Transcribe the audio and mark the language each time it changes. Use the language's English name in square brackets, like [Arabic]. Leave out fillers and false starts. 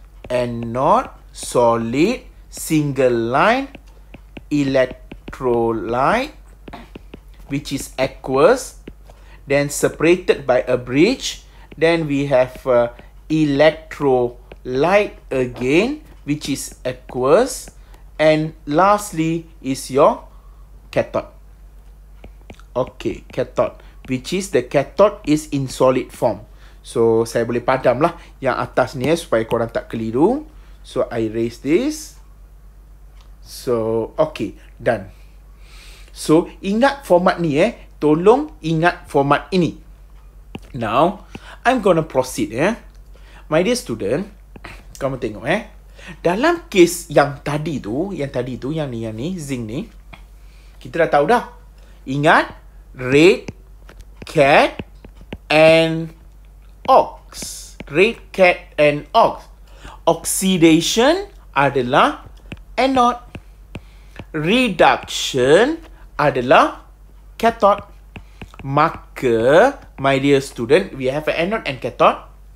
[English] Anode, solid, single line, electrolyte, which is aqueous, then separated by a bridge. Then we have electrolyte again, which is aqueous. And lastly is your cathode. Okay, cathode. Which is the cathode is in solid form. [Malay] So, saya boleh padam lah yang atas ni, supaya korang tak keliru. [English] So, I erase this. So, okay. Done. [Malay] So, ingat format ni, eh. Tolong ingat format ini. [English] Now, I'm gonna proceed, eh. My dear student, [Malay] kamu tengok, [English] eh. [Malay] Dalam kes yang tadi tu, zinc ni, kita dah tahu dah. [English] Ingat, red, cat and ox. Red cat and ox. [Malay] Oxidation adalah anode. Reduction adalah cathode. [English] Maka, my dear student, we have anode and cathode.